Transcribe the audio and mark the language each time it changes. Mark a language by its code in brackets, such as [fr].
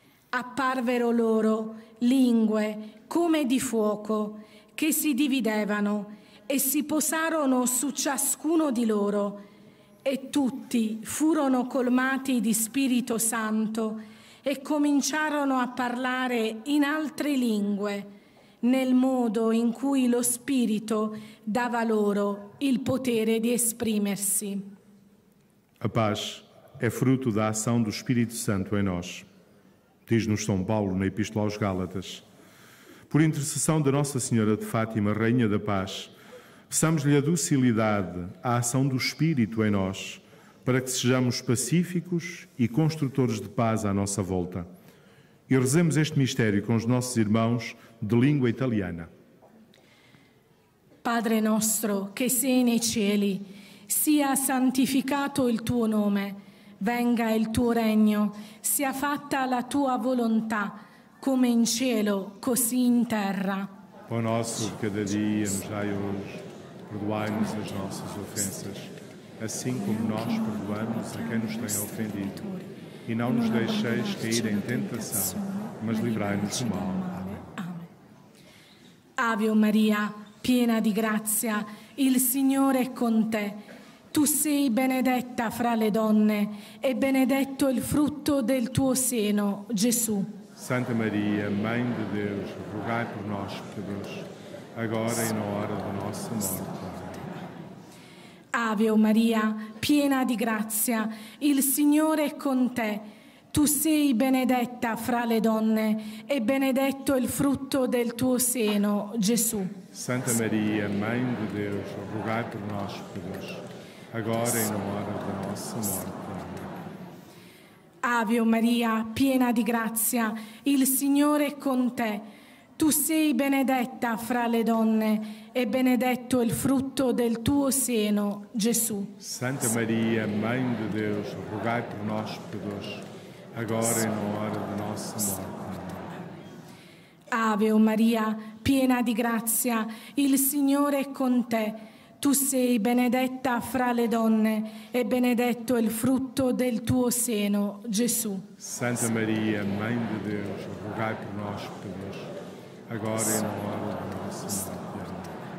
[it] Apparvero loro lingue come di fuoco, che si dividevano e si posarono su ciascuno di loro, e tutti furono colmati di Spirito Santo e cominciarono a parlare in altre lingue, nel modo in cui lo Spirito dava loro il potere di esprimersi. [pt] A paz é fruto da ação do Espírito Santo em nós, diz-nos São Paulo na Epístola aos Gálatas. Por intercessão de Nossa Senhora de Fátima, Rainha da Paz, peçamos-lhe a docilidade à ação do Espírito em nós, para que sejamos pacíficos e construtores de paz à nossa volta. E rezemos este mistério com os nossos irmãos de língua italiana. [it] Padre nostro, che sei nei cieli, sia santificato il tuo nome, venga il tuo regno, sia fatta la tua volontà, come in cielo, così in terra. [pt] Pão nosso de cada dia nos dai hoje, perdoai-nos as nossas ofensas, assim como nós perdoamos a quem nos tem ofendido. E não nos deixeis cair em tentação, mas livrai-nos do mal. Amém. [it] Ave Maria, piena di grazia, il Signore è con te. Tu sei benedetta fra le donne e benedetto il frutto del tuo seno, Gesù. [pt] Santa Maria, Mãe de Deus, rogai por nós, pecadores, agora e na hora da nossa morte. [it] Ave Maria, piena di grazia, il Signore è con te. Tu sei benedetta fra le donne e benedetto il frutto del tuo seno, Gesù. [pt] Santa Maria, Mãe de Deus, rogai por nós, pecadores, agora e na hora da nossa morte. [it] Ave Maria, piena di grazia, il Signore è con te. Tu sei benedetta fra le donne e benedetto il frutto del tuo seno, Gesù. [pt] Santa Maria, Mãe de Deus, rogai por nós, pecadores, agora e na hora da nossa morte. [it] Ave Maria, piena di grazia, il Signore è con te. Tu sei benedetta fra le donne e benedetto il frutto del tuo seno, Gesù. Santa Maria, [pt] Mãe de Deus, rogai [it] per noi peccatori, [pt] agora [it] e nell'ora della nostra morte.